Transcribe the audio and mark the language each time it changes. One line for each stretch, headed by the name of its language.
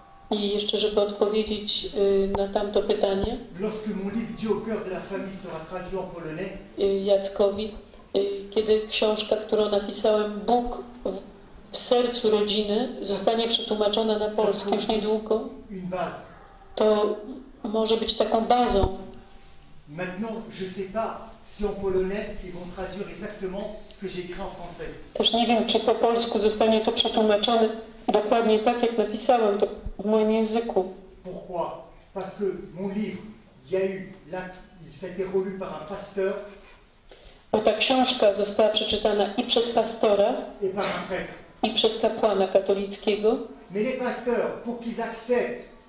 Polish: I jeszcze, żeby odpowiedzieć na tamto pytanie.
French: Lorsque mon livre Dieu au cœur de la famille sera traduit en polonais.
Polish: Jackowi, kiedy książka, którą napisałem, Bóg w sercu rodziny, zostanie przetłumaczona na polski już niedługo, to może być taką bazą.
French: Maintenant, je sais pas si en polonais ils vont traduire exactement ce que j'ai écrit en français.
Polish: Też nie wiem, czy po polsku zostanie to przetłumaczone dokładnie tak, jak napisałem to w moim języku.
French: Pourquoi? Parce que mon livre, il a été relu par un pasteur.
Polish: Bo ta książka została przeczytana i przez pastora,
French: et par un prêtre.
Polish: I przez kapłana katolickiego.
French: Mais les pasteurs, pour qu'ils acceptent.